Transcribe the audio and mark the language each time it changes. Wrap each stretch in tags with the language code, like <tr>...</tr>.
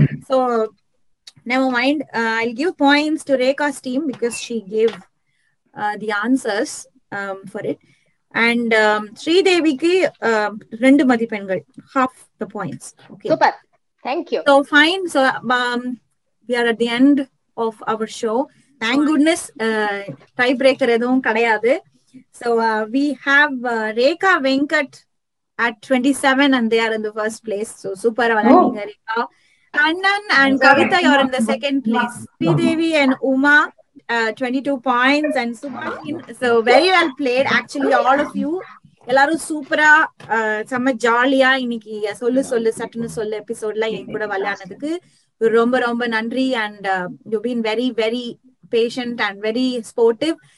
<en>So never mind, I give points to Rekha's team because she gave the answers for it. And ஸ்ரீதேவிக்கு</en> <ta>2 மதிப்பெண்கள்,</ta> <en>Half the points. Okay, super, thank you. So fine, so we are at the end of our show. Thank goodness, tie breaker</en> <ta>edhum kadaiyadu.</ta> <en>So we have Rekha Venkat at 27 and they are in the first place. So super vanadinga Rekha. Kannan and Kavita, you are in the second place. Sridevi and Uma, 22 points and super. So very well played actually all of you.</en> <ta>எல்லாரும் சூப்பரா செம்ம ஜாலியா இன்னைக்கு சொல்லு சொல்லு சட்டுன்னு சொல்லு எபிசோட்ல என் கூட விளையாடுனதுக்கு ரொம்ப ரொம்ப நன்றி.</ta> <en>And you been very very patient and very sportive.</en>